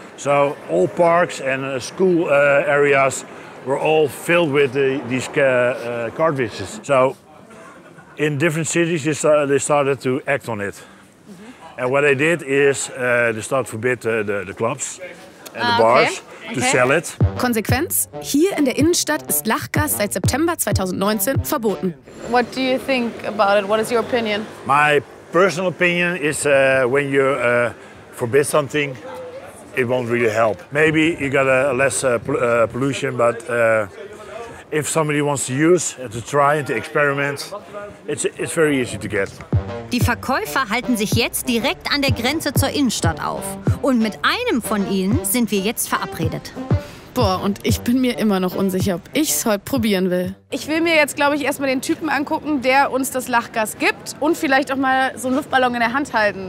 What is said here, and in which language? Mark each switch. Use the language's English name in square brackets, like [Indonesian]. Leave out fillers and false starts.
[English] So all parks and school areas were all filled with these cartridges. So in different cities, they started to act on it. And what they did is they started to forbid the clubs and the bars to sell it. [German] Konsequenz: Hier in der Innenstadt ist Lachgas seit September 2019 verboten. [English] What do you think about it? What is your opinion? My personal opinion is when you forbid something, it won't really help. Maybe you got a less pollution, but if somebody wants to use to try and to experiment, it's very easy to get. [German] Die Verkäufer halten sich jetzt direkt an der Grenze zur Innenstadt auf. Und mit einem von ihnen sind wir jetzt verabredet. Boah, und ich bin mir immer noch unsicher, ob ich es heute probieren will. Ich will mir jetzt, glaube ich, erstmal den Typen angucken, der uns das Lachgas gibt und vielleicht auch mal so einen Luftballon in der Hand halten.